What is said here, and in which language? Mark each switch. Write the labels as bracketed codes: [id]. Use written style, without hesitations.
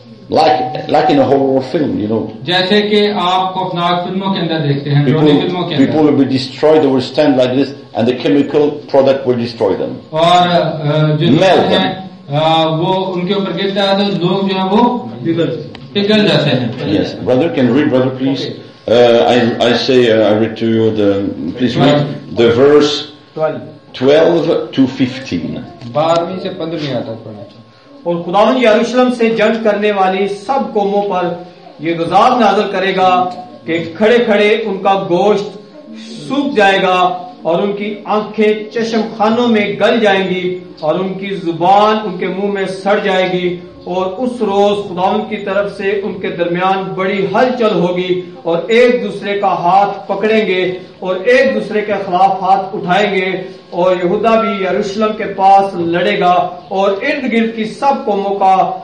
[en] Like in a horror film, you know. [hi] जैसे कि आप खौफनाक फिल्मों के अंदर देखते हैं, रोने फिल्मों के अंदर। [en] People will be destroyed. They will stand like this. And the chemical product will destroy them. [hi] और जो मेल है वो उनके ऊपर गिरता है तो लोग जो है वो पिघल जाते हैं। [en] Yes, brother, can read, brother, please. Okay. I read to you the, please read the verse 12-15. [hi] बारहवीं से पंद्रहवीं आयत पढ़ना। और खुदावन यरूशलम से जंग करने वाली सब कौमों पर ये गज़ाब नाज़िल करेगा कि खड़े खड़े उनका गोश्त सूख जाएगा और उनकी आंखें चश्म खानों में गल जाएंगी और उनकी जुबान उनके मुंह में सड़ जाएगी और उस रोज खुदावन की तरफ से उनके दरमियान बड़ी हलचल होगी और एक दूसरे का हाथ पकड़ेंगे और एक दूसरे के खिलाफ हाथ उठाएंगे और यहूदा भी यरूशलम के पास लड़ेगा और इर्द गिर्द की सब कौमों का